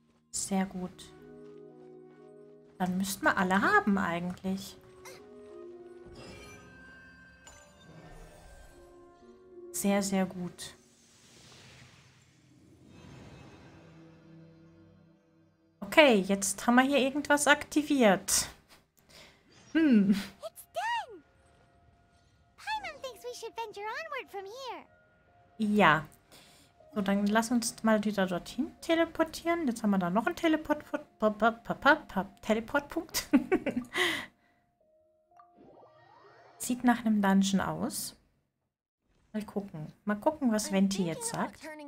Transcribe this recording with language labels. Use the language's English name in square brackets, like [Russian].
[German] Sehr gut. Dann müssten wir alle haben eigentlich. Sehr, sehr gut. Okay, jetzt haben wir hier irgendwas aktiviert. [English] It's done. Paimon thinks we should venture onward from here. [German] Ja. So, dann lass uns mal wieder dorthin teleportieren. Jetzt haben wir da noch einen Teleportpunkt. Sieht nach einem Dungeon aus. Mal gucken. Mal gucken, was Venti jetzt sagt.